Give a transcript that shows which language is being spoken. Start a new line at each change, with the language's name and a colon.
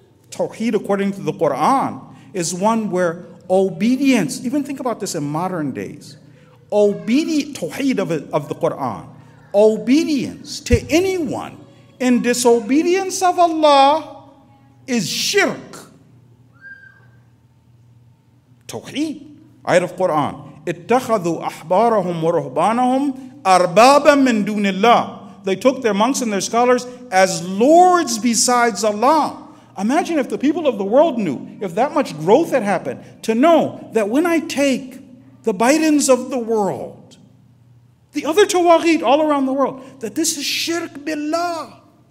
English: Tawheed, according to the Quran, is one where obedience, even think about this in modern days, Tawheed of the Quran, obedience to anyone in disobedience of Allah is shirk. Tawheed, ayat of Quran,
Arabic: اتخذوا أحبارهم ورهبانهم أربابا من دون الله.
English: They took their monks and their scholars as lords besides Allah. Imagine if the people of the world knew, if that much growth had happened, to know that when I take the Bidens of the world, the other tawaghit all around the world, that this is shirk billah.